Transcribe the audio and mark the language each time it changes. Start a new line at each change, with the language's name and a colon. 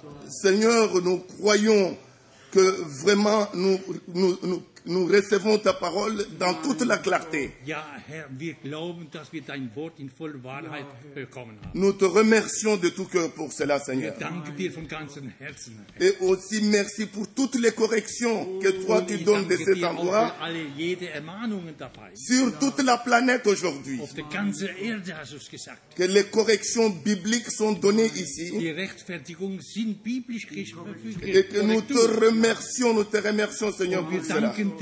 French: Seigneur, nous croyons que vraiment nous recevons ta parole dans toute la clarté.
German: Ja, Herr, wir glauben, dass wir dein Wort in voller Wahrheit bekommen haben.
French: Nous te remercions de tout cœur pour cela, Seigneur.
German: Wir danken dir von ganzem Herzen.
French: Et aussi merci pour toutes les corrections que toi tu donnes de cet endroit.
German: Ich danke dir für jede Ermahnung dabei.
French: Sur toute la planète aujourd'hui.
German: Auf der ganzen Erde hast du es gesagt.
French: Que les corrections bibliques sont données ici.
German: Die Rechtfertigungen sind biblisch geschrieben.
French: Et que nous te remercions, Seigneur, pour cela.